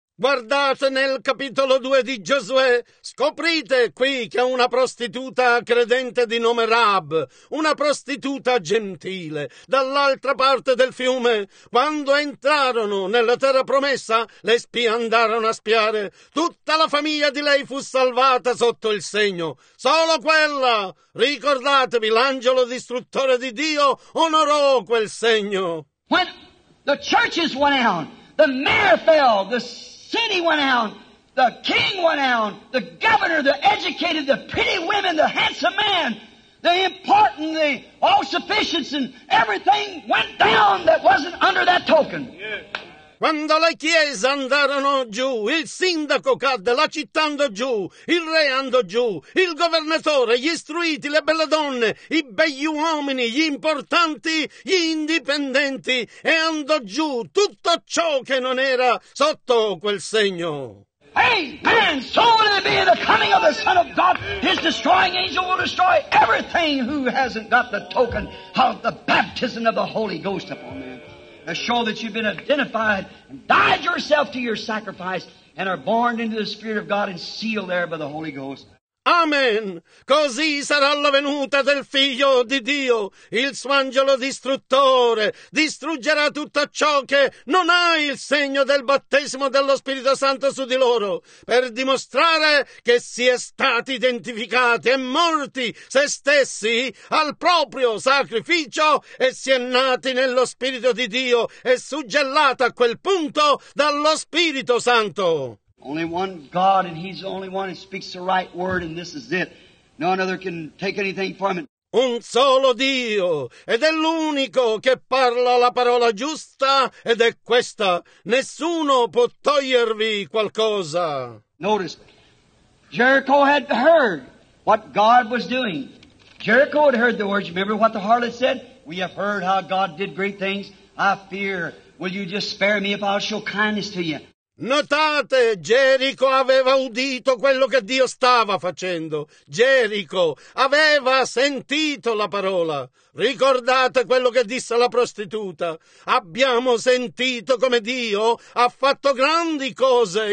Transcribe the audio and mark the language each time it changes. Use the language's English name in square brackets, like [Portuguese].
[Italian] Guardate nel capitolo 2 di Giosuè, scoprite qui che una prostituta credente di nome Rab, una prostituta gentile, dall'altra parte del fiume, quando entrarono nella terra promessa, le spie andarono a spiare, tutta la famiglia di lei fu salvata sotto il segno, solo quella, ricordatevi, l'angelo distruttore di Dio onorò quel segno. [English] When the churches went out, the mayor fell, the city went out, the king went out, the governor, the educated, the pretty women, the handsome man, the important, the all-sufficient, and everything went down that wasn't under that token. [Italian] Quando le chiese andarono giù, il sindaco cadde, la città andò giù, il re andò giù, il governatore, gli istruiti, le belle donne, i begli uomini, gli importanti, gli indipendenti, e andò giù tutto ciò che non era sotto quel segno. [English] Amen! So will it be in the coming of the Son of God. His destroying angel will destroy everything who hasn't got the token of the baptism of the Holy Ghost upon them. To show that you've been identified and died yourself to your sacrifice and are born into the Spirit of God and sealed there by the Holy Ghost. Amen. [Italian] Così sarà la venuta del Figlio di Dio, il suo angelo distruttore. Distruggerà tutto ciò che non ha il segno del battesimo dello Spirito Santo su di loro, per dimostrare che si è stati identificati e morti se stessi al proprio sacrificio e si è nati nello Spirito di Dio e suggellati a quel punto dallo Spirito Santo. [English] Only one God, and He's the only one who speaks the right word, and this is it. No other can take anything from it. [Italian] Un solo Dio, ed è l'unico che parla la parola giusta, ed è questa. Nessuno può togliervi qualcosa. [English] Notice, Jericho had heard what God was doing. Jericho had heard the words. Remember what the harlot said? We have heard how God did great things. I fear, will you just spare me if I'll show kindness to you? [Italian] Notate, Gerico aveva udito quello che Dio stava facendo. Gerico aveva sentito la parola. Ricordate quello che disse la prostituta. Abbiamo sentito come Dio ha fatto grandi cose.